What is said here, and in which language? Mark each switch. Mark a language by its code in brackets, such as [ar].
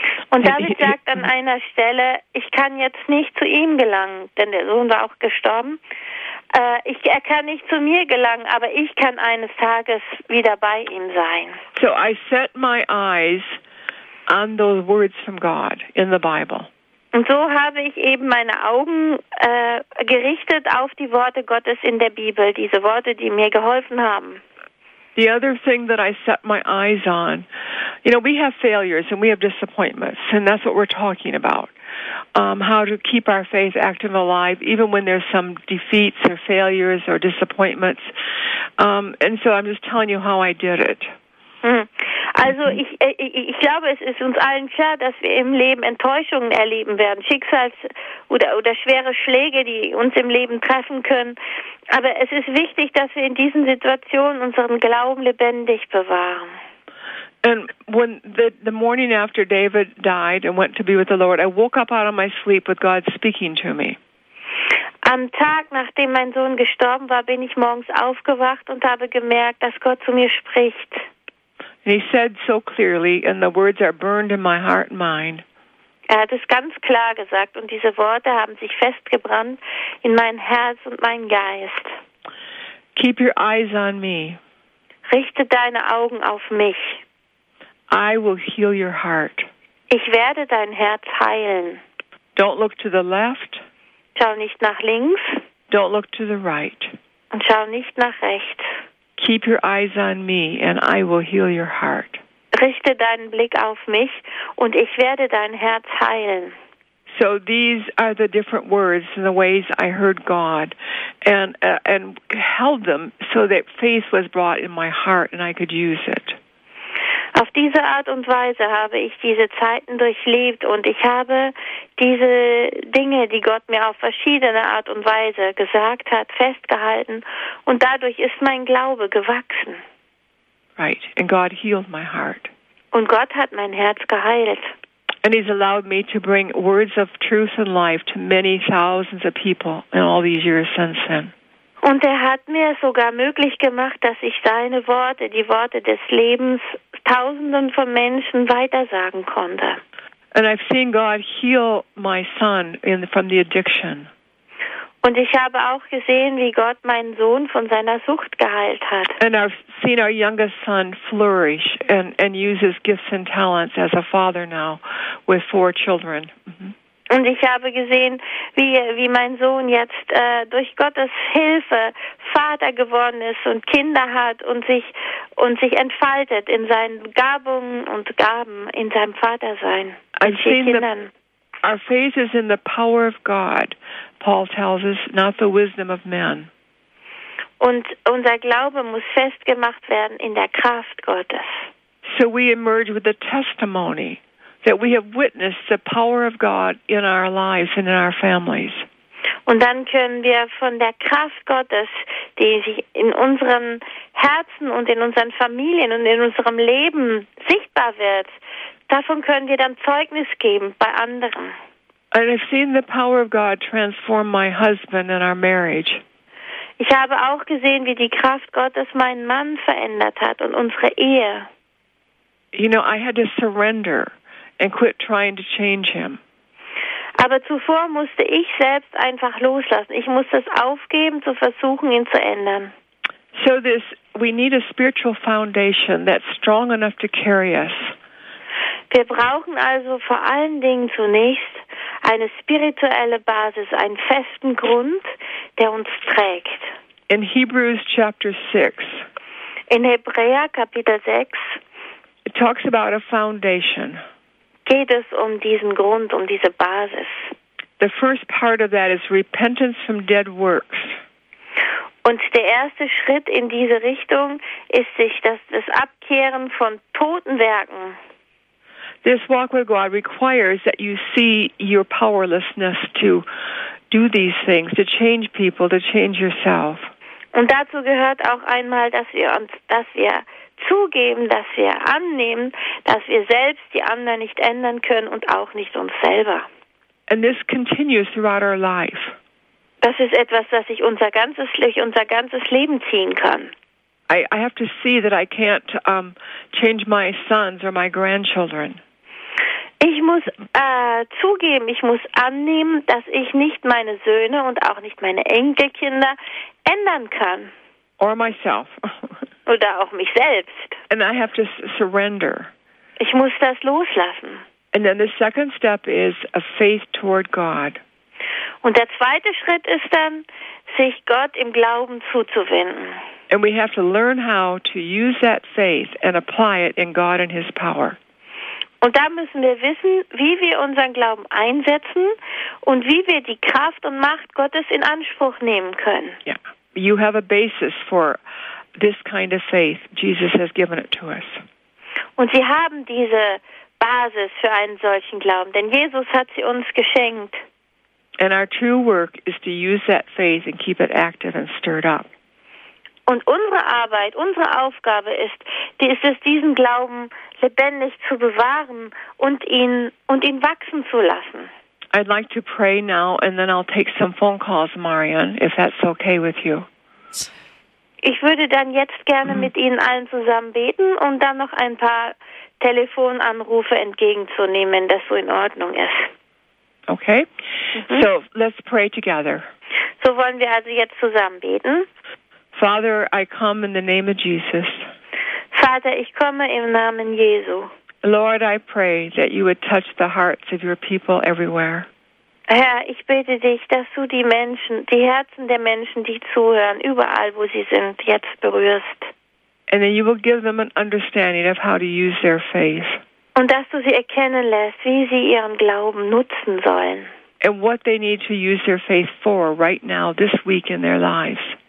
[de] Und David sagt an einer Stelle, ich kann jetzt nicht zu ihm gelangen, denn der Sohn war auch gestorben. Er kann nicht zu mir gelangen, aber ich kann eines Tages wieder bei ihm sein. [en] So I set my eyes on those words from God in the Bible. [de] Und so habe ich eben meine Augen gerichtet auf die Worte Gottes in der Bibel, diese Worte, die mir geholfen haben. [en] The other thing that I set my eyes on, you know, we have failures and we have disappointments, and that's what we're talking about. How to keep our faith active and alive, even when there's some defeats or failures or disappointments. And so I'm just telling you how I did it. [de] Also ich glaube, es ist uns allen klar, dass wir im Leben Enttäuschungen erleben werden, Schicksals oder schwere Schläge, die uns im Leben treffen können. Aber es ist wichtig, dass wir in diesen Situationen unseren Glauben lebendig bewahren. [en] And when the morning after David died and went to be with the Lord, I woke up out of my sleep with God speaking to me. [de] Am Tag, nachdem mein Sohn gestorben war, bin ich morgens aufgewacht und habe gemerkt, dass Gott zu mir spricht. [en] And he said so clearly, and the words are burned in my heart and mind. [de] Er hat es ganz klar gesagt, und diese Worte haben sich festgebrannt in mein Herz und mein Geist. [en] Keep your eyes on me. [de] Richte deine Augen auf mich. [en] I will heal your heart. [de] Ich werde dein Herz heilen. [en] Don't look to the left. [de] Schau nicht nach links. [en] Don't look to the right. [de] Und schau nicht nach rechts. [en] Keep your eyes on me, and I will heal your heart. [de] Richte deinen Blick auf mich, und ich werde dein Herz heilen. [en] So these are the different words and the ways I heard God, and held them so that faith was brought in my heart, and I could use it. [de] Auf diese Art und Weise habe ich diese Zeiten durchlebt, und ich habe diese Dinge, die Gott mir auf verschiedene Art und Weise gesagt hat, festgehalten, und dadurch ist mein Glaube gewachsen. [en] Right, and God healed my heart. [de] Und Gott hat mein Herz geheilt. [en] And he's allowed me to bring words of truth and life to many thousands of people in all these years since then. [de] Und er hat mir sogar möglich gemacht, dass ich seine Worte, die Worte des Lebens, Tausenden von Menschen weitersagen konnte. [en] And I've seen God heal my son from the addiction. [de] Und ich habe auch gesehen, wie Gott meinen Sohn von seiner Sucht geheilt hat. [en] And I've seen our youngest son flourish and use his gifts and talents as a father now with four children. Mm-hmm. [de] Und ich habe gesehen, wie mein Sohn jetzt durch Gottes Hilfe Vater geworden ist und Kinder hat und sich entfaltet in seinen Gabungen und Gaben in seinem Vatersein mit vier Kindern. [en] Our faith is in the power of God, Paul tells us, not the wisdom of man. [de] Und unser Glaube muss festgemacht werden in der Kraft Gottes. [en] So we emerge with a testimony that we have witnessed the power of God in our lives and in our families. [de] Und dann können wir von der Kraft Gottes, die sich in unseren Herzen und in unseren Familien und in unserem Leben sichtbar wird, davon können wir dann Zeugnis geben bei anderen. [en] And I've seen the power of God transform my husband and our marriage. [de] Ich habe auch gesehen, wie die Kraft Gottes meinen Mann verändert hat und unsere Ehe. [en] You know, I had to surrender and quit trying to change him. [de] Aber zuvor musste ich selbst einfach loslassen. Ich musste es aufgeben, zu versuchen, ihn zu ändern. [en] So this, we need a spiritual foundation that's strong enough to carry us. [de] Wir brauchen also vor allen Dingen zunächst eine spirituelle Basis, einen festen Grund, der uns trägt. [en] In Hebrews chapter 6. [de] In Hebräer Kapitel 6. [en] It talks about a foundation. [de] Geht es um diesen Grund, um diese Basis. [en] The first part of that is repentance from dead works. [de] Und der erste Schritt in diese Richtung ist sich das Abkehren von toten Werken. [en] This walk with God requires that you see your powerlessness to do these things, to change people, to change yourself. [de] Und dazu gehört auch einmal, dass wir zugeben, dass wir annehmen, dass wir selbst die anderen nicht ändern können und auch nicht uns selber. [en] And this continues throughout our life. [de] Das ist etwas, das sich unser ganzes Leben ziehen kann. [en] I have to see that I can't change my sons or my grandchildren. [de] Ich muss zugeben, ich muss annehmen, dass ich nicht meine Söhne und auch nicht meine Enkelkinder ändern kann. [en] Or myself. [de] Oder auch mich selbst. [en] And I have to surrender. [de] Ich muss das loslassen. [en] And then the second step is a faith toward God. [de] Und der zweite Schritt ist dann, sich Gott im Glauben zuzuwenden. [en] And we have to learn how to use that faith and apply it in God and His power. [de] Und da müssen wir wissen, wie wir unseren Glauben einsetzen und wie wir die Kraft und Macht Gottes in Anspruch nehmen können. Yeah. [en] You have a basis for this kind of faith. Jesus has given it to us. [de] Und Sie haben diese Basis für einen solchen Glauben, denn Jesus hat sie uns geschenkt. [en] And our true work is to use that faith and keep it active and stirred up. [de] Und unsere Arbeit, unsere Aufgabe ist es, diesen Glauben lebendig zu bewahren und ihn wachsen zu lassen. [en] I'd like to pray now and then I'll take some phone calls, Marion, if that's okay with you. [de] Ich würde dann jetzt gerne mit Ihnen allen zusammen beten und dann noch ein paar Telefonanrufe entgegenzunehmen, wenn das so in Ordnung ist. [en] Okay, So let's pray together. [de] So wollen wir also jetzt zusammen beten. [en] Father, I come in the name of Jesus. [de] Vater, ich komme im Namen Jesu. [en] Lord, I pray that you would touch the hearts of your people everywhere. [de] Herr, ich bete dich, dass du die Menschen, die Herzen der Menschen, die zuhören, überall wo sie sind, jetzt berührst. [en] And that you will give them an understanding of how to use their faith. [de] Und dass du sie erkennen lässt, wie sie ihren Glauben nutzen sollen. [en] And what they need to use their faith for right now, this week in their lives.